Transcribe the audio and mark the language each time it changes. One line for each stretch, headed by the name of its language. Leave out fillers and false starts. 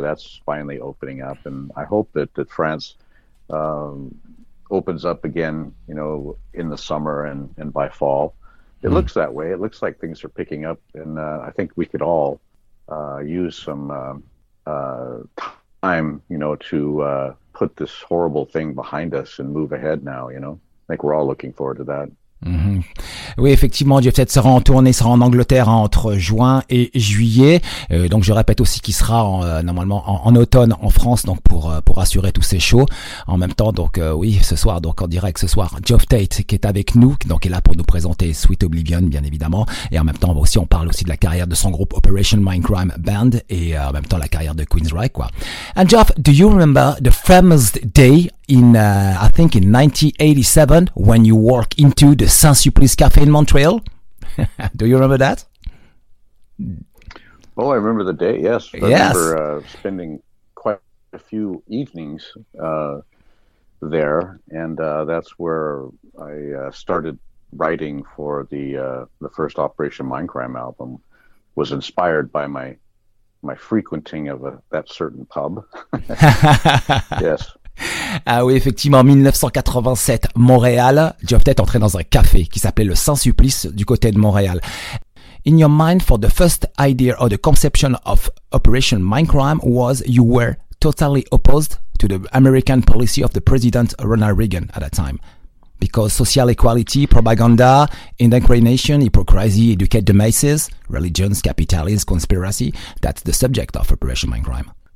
English: That's finally opening up, and I hope that France opens up again, you know, in the summer and by fall. It looks that way. It looks like things are picking up, and I think we could all use some time, you know, to put this horrible thing behind us and move ahead now, you know. I think we're all looking forward to that.
French: Oui, effectivement, Jeff Tate sera en tournée, sera en Angleterre entre juin et juillet. Donc, je répète aussi qu'il sera normalement en automne en France, donc pour assurer tous ses shows. En même temps, donc oui, ce soir, donc en direct ce soir, Jeff Tate qui est avec nous, donc est là pour nous présenter Sweet Oblivion, bien évidemment. Et en même temps, aussi, on parle aussi de la carrière de son groupe Operation Mindcrime Band et en même temps la carrière de Queensrÿche, quoi.
English: And Jeff, do you remember the famous day in I think in 1987 when you walk into the Saint-Sulpice Cafe in Montreal? Do you remember that? Oh, I remember the day. Yes. Yes. I remember spending quite a few evenings there, and that's where I started writing for the first Operation Mindcrime album. Was inspired by my frequenting of that certain pub. Yes.
French: Ah oui, effectivement, 1987, Montréal. Tu as peut-être entré dans un café qui s'appelait le Saint-Sulpice du côté de Montréal.
English: In your mind, for the first idea or the conception of Operation Mindcrime was you were totally opposed to the American policy of the President Ronald Reagan at that time. Because social equality, propaganda, indoctrination, hypocrisy, educate the masses, religions, capitalism, conspiracy, that's the subject of Operation Mindcrime.